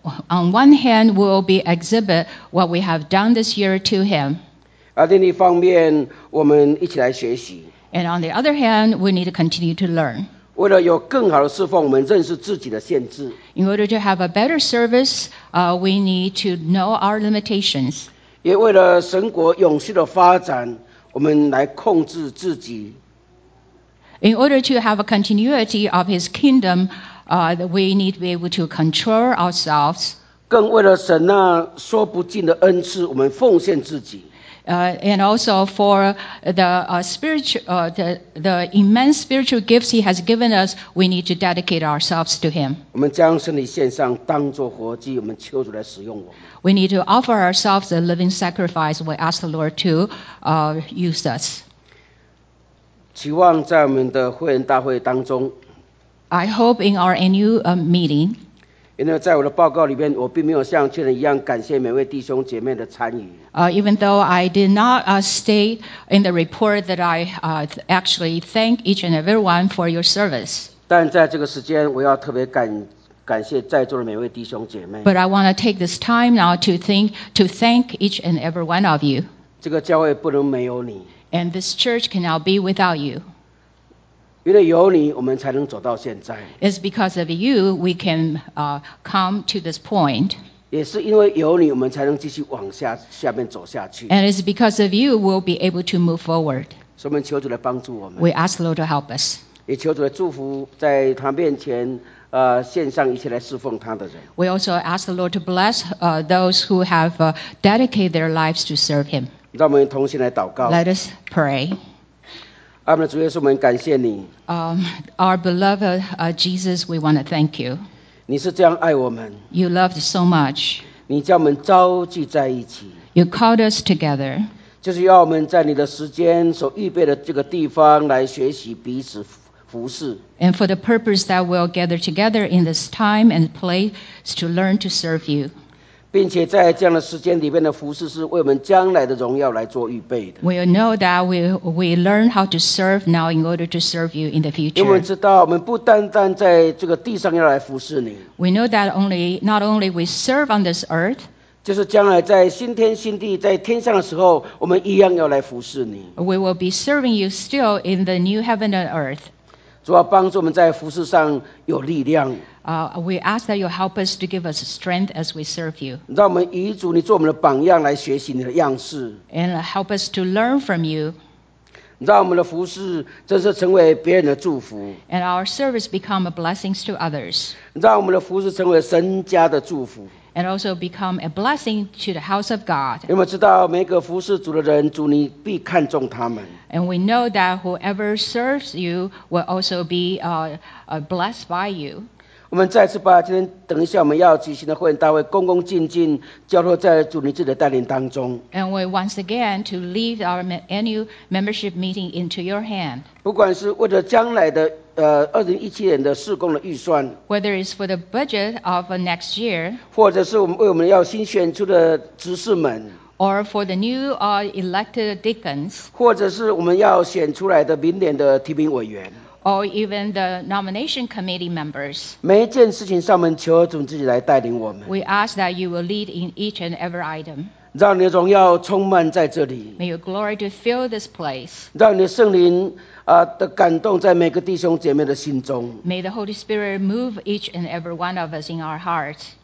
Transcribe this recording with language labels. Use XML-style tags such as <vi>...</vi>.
<en>On one hand, we'll be exhibit what we have done this year to him.</en> <zh>另一方面我们一起来学习。</zh> <en>And on the other hand, we need to continue to learn.</en> <zh>为了有更好的侍奉，我们认识自己的限制。</zh> <en>In order to have a better service, we need to know our limitations.</en> <zh>也为了神国永续的发展，我们来控制自己。</zh> <en>In order to have a continuity of his kingdom, we need to be able to control ourselves.</en> <zh>更为了神那说不尽的恩赐，我们奉献自己。</zh> <en>And also for the immense spiritual gifts he has given us, we need to dedicate ourselves to him.</en> <zh>我们将身体献上，当作活祭，我们求主来使用我们。</zh> <en>We need to offer ourselves a living sacrifice. We ask the Lord to use us.</en> <zh>期望在我们的会员大会当中。</zh> <en>I hope in our annual meeting.</en> <zh>因为在我的报告里面，我并没有像去年一样感谢每位弟兄姐妹的参与。</zh> <en>Even though I did not stay in the report that I actually thank each and every one for your service.</en> <zh>但在这个时间，我要特别感谢在座的每位弟兄姐妹。</zh> <en>But I want to take this time now to thank each and every one of you.</en> <zh>这个教会不能没有你。</zh> <en>And this church cannot be without you.</en> <zh>因为有你，我们才能走到现在。</zh> <en>It's because of you we can come to this point.</en> <zh>也是因为有你，我们才能继续往下面走下去。</zh> <en>And it's because of you we'll be able to move forward.</en> <zh>所以我们求主来帮助我们。</zh> <en>We ask the Lord to help us.</en> <zh>也求主来祝福在他面前献上一切来侍奉他的人。</zh> <en>We also ask the Lord to bless those who have dedicated their lives to serve him.</en> <zh>让我们同心来祷告。</zh> <en>Let us pray.</en> <zh>阿们的主耶稣，我们感谢你。</zh> <en>Our beloved Jesus, we want to thank you.</en> <zh>你是这样爱我们。</zh> <en>You loved so much.</en> <zh>你叫我们召集在一起。</zh> <en>You called us together.</en> <zh>就是要我们在你的时间所预备的这个地方来学习彼此服侍。</zh> <en>And for the purpose that we'll gather together in this time and place to learn to serve you.</en> <zh>并且在这样的时间里面的服侍是为我们将来的荣耀来做预备的。</zh> <en>We know that we learn how to serve now in order to serve you in the future.</en> <zh>因为我们知道我们不单单在这个地上要来服侍你。</zh> <en>We know that not only we serve on this earth.</en> <zh>就是将来在新天新地在天上的时候我们一样要来服侍你。</zh> <en>We will be serving you still in the new heaven and earth.</en> <zh>主要帮助我们在服事上有力量。</zh> <en>We ask that you help us to give us strength as we serve you.</en> <zh>让我们以主你做我们的榜样来学习你的样式。</zh> <en>And help us to learn from you.</en> <zh>让我们的服事真是成为别人的祝福。</zh> <en>And our service become a blessing to others.</en> <zh>让我们的服事成为神家的祝福。</zh> <en>And also become a blessing to the house of God.</en> <zh>因为我们知道每个服事主的人，主你必看重他们。</zh> <en>And we know that whoever serves you will also be blessed by you.</en> <zh>我们再次把今天等一下我们要举行的会员大会恭恭敬敬交托在主你自己的带领当中。</zh> <en>And we once again to leave our annual membership meeting into your hand.</en> <zh>不管是为了将来的2017年的事工的预算</zh> <en>，Whether it's for the budget of next year，</en> <zh>或者是我们为我们要新选出的执事们</zh> <en>，Or for the new elected deacons，</en> <zh>或者是我们要选出来的明年的提名委员</zh> <en>，Or even the nomination committee members，</en> <zh>每一件事情上面求主自己来带领我们。</zh> <en>We ask that you will lead in each and every item。</en> <zh>让你的荣耀充满在这里。</zh> <en>May your glory to fill this place。</en> <zh>让你的圣灵。的感动在每个弟兄姐妹的心中。</zh> <en>May the Holy Spirit move each and every one of us in our hearts.</en>